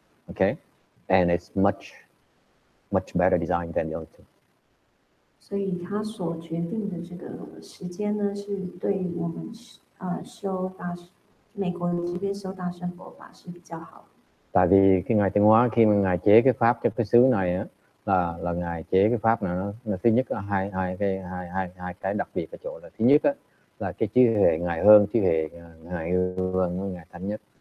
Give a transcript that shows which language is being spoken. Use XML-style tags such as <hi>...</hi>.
<en>Okay, and it's much, much better design than the other two.</en> <zh>所以他所决定的这个时间呢，是对我们修大，美国这边修大乘佛法是比较好的。</zh> <vi>Tại vì khi ngài Tinh Hóa khi mà ngài chế cái pháp cho cái xứ này á, là ngài chế cái pháp này nó thứ nhất là hai cái đặc biệt ở chỗ là thứ nhất á, là cái trí huệ ngài hơn trí huệ ngài hơn ngài thánh nhất.</vi>